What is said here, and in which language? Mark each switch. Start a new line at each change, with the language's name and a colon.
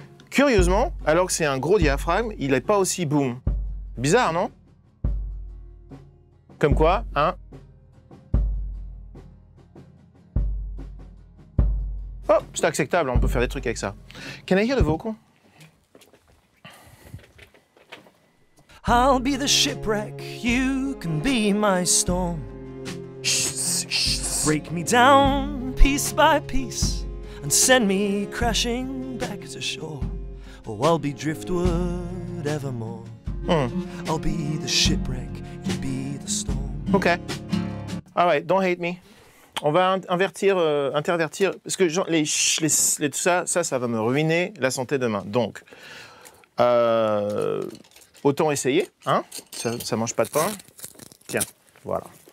French: Curieusement, alors que c'est un gros diaphragme, il n'est pas aussi boom. Bizarre, non? Comme quoi, hein? Oh, c'est acceptable, on peut faire des trucs avec ça.
English: Can I hear the vocal? I'll be the shipwreck, you can be my storm. Break me down piece by piece and send me crashing back to shore. Oh, I'll be driftwood evermore. I'll be the shipwreck, you be the storm. Ok. All right, don't hate me.
French: On va intervertir, parce que genre, les tout ça, ça va me ruiner la santé demain. Donc, autant essayer, hein? Ça mange pas de pain. Tiens, voilà.